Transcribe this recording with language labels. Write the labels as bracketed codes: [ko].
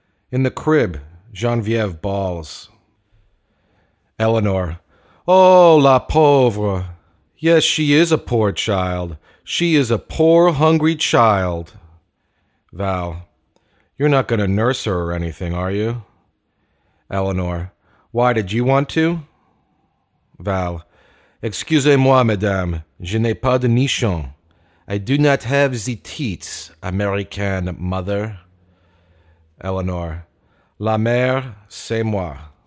[en] In the crib, Geneviève bawls. Eleanor, [fr] oh, la pauvre! [en] Yes, she is a poor child. She is a poor, hungry child. Val, you're not going to nurse her or anything, are you? Eleanor, why did you want to? [fr] Val, excusez-moi, madame, je n'ai pas de nichon. [en] I do not have the teats, American mother. [fr] Eleanor, la mère, c'est moi.